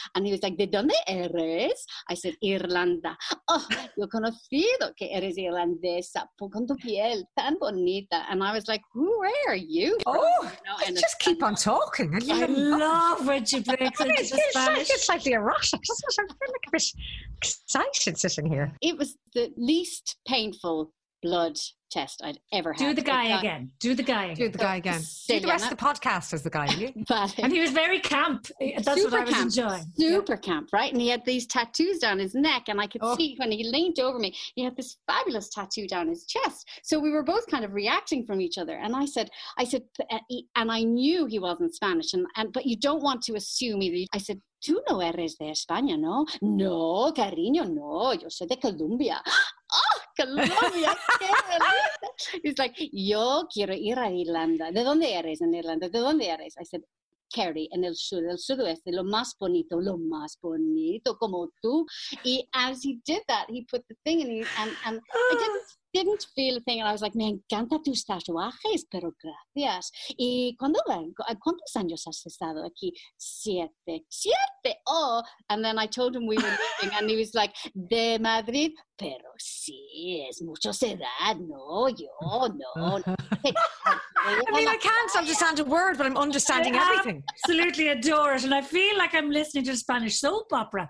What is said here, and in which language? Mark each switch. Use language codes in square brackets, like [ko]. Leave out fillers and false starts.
[en] And he was like, [es] ¿de dónde eres? [en] I said, Irlanda. [es] Oh, yo conocido que eres irlandesa con tu piel tan bonita. [en] And I was like, where are you? Just keep on talking. I love when she breaks into Spanish. It's like the erotic. I'm like a bit excited sitting here. It was the least painful blood test I'd ever had. Do the guy again. Do the guy again. Do the guy again. Do the rest of the podcast as the guy. And he was very camp. That's super what I was camp. Enjoying. Super camp, right? And he had these tattoos down his neck, and I could see when he leaned over me, he had this fabulous tattoo down his chest. So we were both kind of reacting from each other. And I said, and I knew he wasn't Spanish, but you don't want to assume either. I said, [es] tú no eres de España, no? No, cariño, no. Yo soy de Colombia. Oh, Colombia. [en] He's like, [es] yo quiero ir a Irlanda. ¿De dónde eres en Irlanda? ¿De dónde eres? [en] I said, [es] Kerry, en el sudoeste, lo más bonito, como tú. [en] Y as he did that, he put the thing in and I didn't feel a thing. And I was like, [es] me encanta tus tatuajes, pero gracias. ¿Y cuántos años has estado aquí? Siete. [en] Oh, and then I told him we were leaving, and he was like, [es] de Madrid, pero sí, es mucho edad. No, yo, no. [en] I mean, I can't understand a word, but I'm understanding everything. Absolutely adore it. And I feel like I'm listening to a Spanish soap opera.